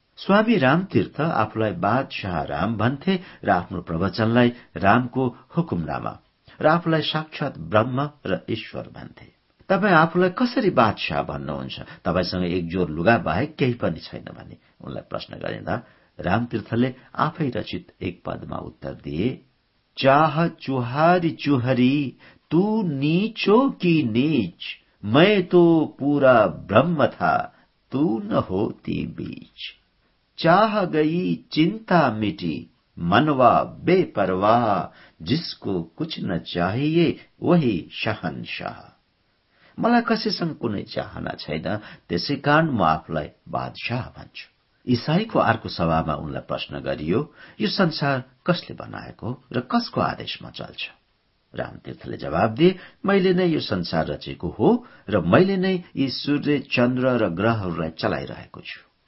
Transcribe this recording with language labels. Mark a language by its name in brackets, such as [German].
[Nepali] स्वामी रामतीर्थ आफूलाई बादशाह राम भन्थे र आफ्नो प्रवचनलाई रामको हुकुमनामा र आफूलाई साक्षात ब्रह्म र ईश्वर भन्थे। तपाईँ आफूलाई कसरी बादशाह भन्नुहुन्छ? तपाईँसँग एक जोर लुगा बाहेक केही पनि छैन भने उनलाई प्रश्न गरिँदा रामतीर्थले आफै रचित एक पदमा उत्तर दिए, [Hindi] चाह चुहारी चुहरी तू नीचो की नीच, मैं तो पूरा ब्रह्म था तू न होती बीच। चाह गई चिंता मिटी मनवा बेपरवाह, जिसको कुछ न चाहिए वही शहंशाह। [Nepali] मलाई कसैसँग कुनै चाहना छैन, त्यसै कारण म आफूलाई बादशाह भन्छु। इसाईको अर्को सभामा उनलाई प्रश्न गरियो, यो संसार कसले बनाएको र कसको आदेशमा चल्छ। रामतीर्थले जवाब दिए, मैले नै यो संसार रचेको हो र मैले नै यी सूर्य चन्द्र र ग्रहहरूलाई चलाइरहेको छु।